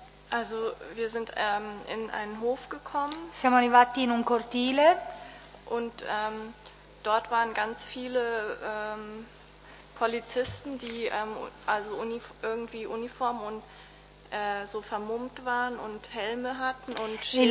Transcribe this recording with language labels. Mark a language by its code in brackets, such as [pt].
[de] Also, wir sind in einen Hof gekommen. [it] Siamo arrivati in un cortile. [de] Und dort waren ganz viele Polizisten, die also irgendwie Uniform und so vermummt waren und Helme hatten und Schilder.